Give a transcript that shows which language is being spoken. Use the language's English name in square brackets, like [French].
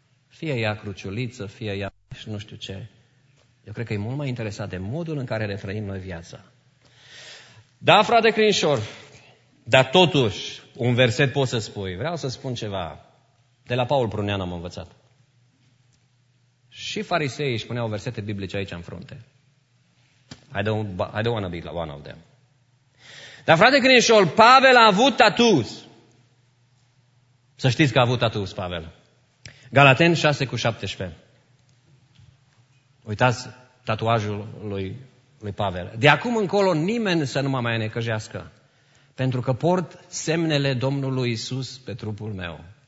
[Romanian] Fie ea cruciuliță, fie ea și nu știu ce. Eu cred că e mult mai interesat de modul în care le trăim noi viața. Da, frate Crinșor, dar totuși un verset poți să spui. Vreau să spun ceva. De la Paul Prunean am învățat. Și farisei își puneau versete biblice aici în frunte. [English] I don't want to be one of them. [Romanian] Dar frate Crinșor, Pavel a avut tatuz. Să știți că a avut tatuz, Pavel. Galateni 6:17. Uitați tatuajul lui Pavel. De acum încolo nimeni să nu mă mai necăjească, pentru că port semnele Domnului Iisus pe trupul meu.